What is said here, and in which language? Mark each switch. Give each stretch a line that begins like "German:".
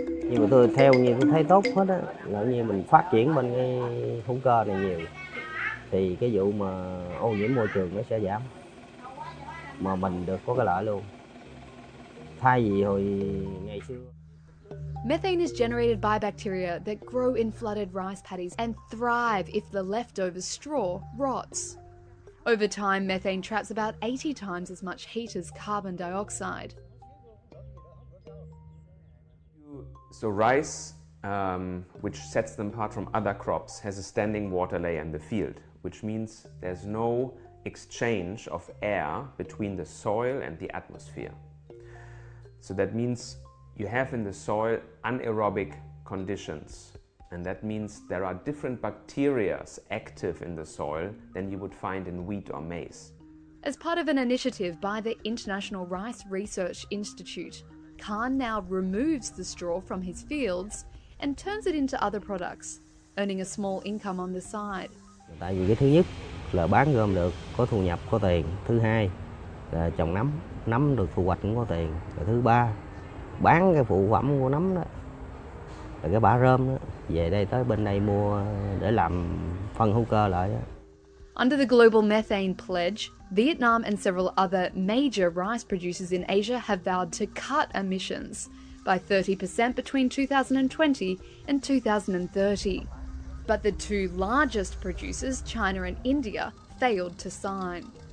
Vietnamese: Nhưng mà tôi theo như tôi thấy tốt hết á, là như mình phát triển bên cái hữu cơ này nhiều thì cái vụ mà ô nhiễm môi trường nó sẽ giảm, mà mình được có cái lợi luôn, thay vì hồi ngày xưa.
English: Methane is generated by bacteria that grow in flooded rice paddies and thrive if the leftover straw rots. Over time, methane traps about 80 times as much heat as carbon dioxide. So rice, which sets them apart from other crops, has a standing water layer in the field, which means there's no exchange of air between the soil and the atmosphere. So that means you have in the soil anaerobic conditions, and that means there are different bacteria active in the soil than you would find in wheat or maize. As part of an initiative by the International Rice Research Institute, Khan now removes the straw from his fields and turns it into other products, earning a small income on the side.
Vietnamese: Tại vì cái thứ nhất là bán gom được, có thu nhập, có tiền. Thứ hai là trồng nấm, nấm được thu hoạch cũng có tiền. Và thứ ba, bán cái phụ phẩm của nấm đó, là cái bã rơm đó, về đây tới bên đây mua để làm phân hữu cơ lại đó.
English: Under the Global Methane Pledge, Vietnam and several other major rice producers in Asia have vowed to cut emissions by 30% between 2020 and 2030. But the two largest producers, China and India, failed to sign.